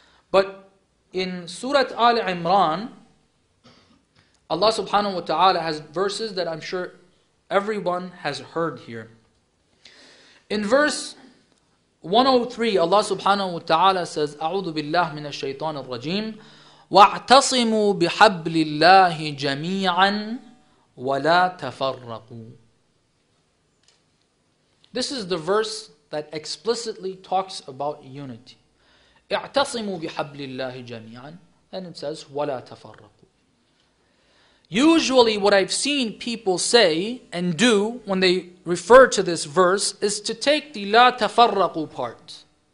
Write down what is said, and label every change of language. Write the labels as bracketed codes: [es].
[en] But in Surah Al-Imran, Allah subhanahu wa ta'ala has verses that I'm sure everyone has heard here. In verse 103, Allah subhanahu wa ta'ala says, [ar] أعوذ بالله من الشيطان الرجيم وَاعْتَصِمُوا بِحَبْلِ اللَّهِ جَمِيعًا وَلَا تَفَرَّقُوا. [en] This is the verse that explicitly talks about unity. [ar] اِعْتَصِمُوا بِحَبْلِ اللَّهِ جَمِيعًا. [en] And it says, [ar] وَلَا تَفَرَّقُوا. [en] Usually what I've seen people say and do when they refer to this verse is to take the [ar] لَا تَفَرَّقُوا [en] part.